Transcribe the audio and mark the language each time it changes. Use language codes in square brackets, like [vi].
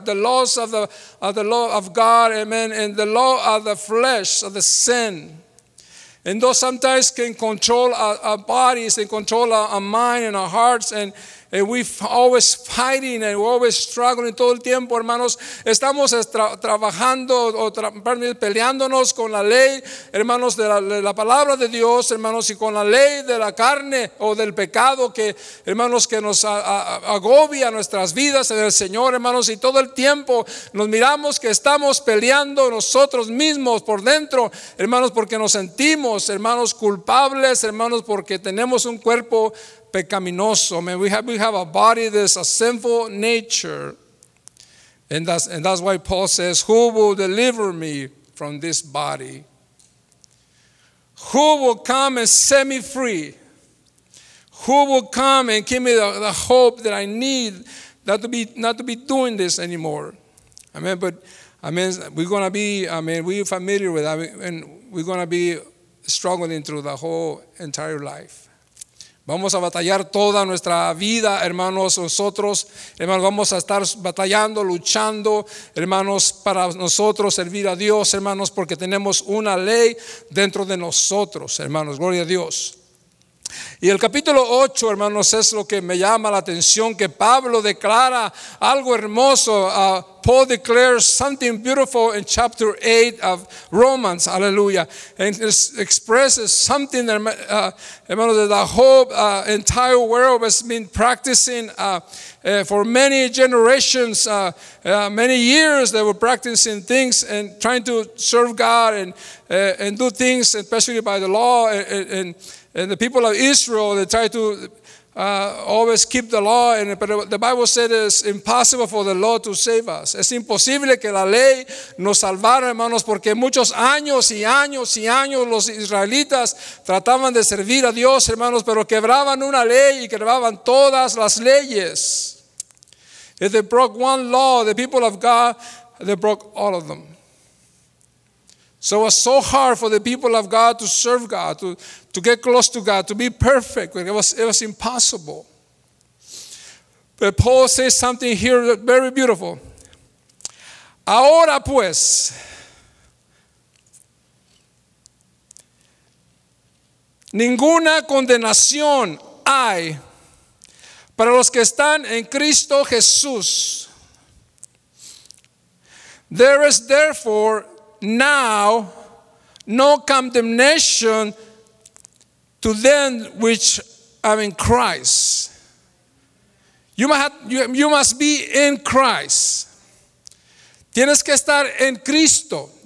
[en] The laws of the law of God, amen, and the law of the flesh, of the sin. And though sometimes can control our bodies and control our mind and our hearts, and we're always fighting and we're always struggling [es] todo el tiempo, hermanos. Estamos trabajando o peleándonos con la ley, hermanos, de la palabra de Dios, hermanos, y con la ley de la carne o del pecado que, hermanos, que nos agobia nuestras vidas en el Señor, hermanos. Y todo el tiempo nos miramos que estamos peleando nosotros mismos por dentro, hermanos, porque nos sentimos, hermanos, culpables, hermanos, porque tenemos un cuerpo pecaminoso. [en] Man, we have a body that is a sinful nature, and that's why Paul says, who will deliver me from this body? Who will come and set me free? Who will come and give me the hope that I need, not to be doing this anymore? Amen. But I mean, we're familiar with that, and we're gonna be struggling through the whole entire life. [es] Vamos a batallar toda nuestra vida, hermanos, nosotros, hermanos, vamos a estar batallando, luchando, hermanos, para nosotros servir a Dios, hermanos, porque tenemos una ley dentro de nosotros, hermanos, gloria a Dios. Y el capítulo 8, hermanos, es lo que me llama la atención, que Pablo declara algo hermoso. [en] Paul declares something beautiful in chapter 8 of Romans, hallelujah, and expresses something that, hermanos, that the whole entire world has been practicing for many generations, many years they were practicing things and trying to serve God and do things, especially by the law, and the people of Israel, they try to always keep the law, but the Bible said it's impossible for the law to save us. [es] Es imposible que la ley nos salvara, hermanos, porque muchos años y años y años los israelitas trataban de servir a Dios, hermanos, pero quebraban una ley y quebraban todas las leyes. [en] If they broke one law, the people of God, they broke all of them. So it was so hard for the people of God to serve God, to get close to God, to be perfect. It was impossible. But Paul says something here that's very beautiful. [es] Ahora pues, ninguna condenación hay para los que están en Cristo Jesús. [en] There is therefore now no condemnation to them which are in Christ. You must be in Christ. [es] Tienes que estar en Cristo.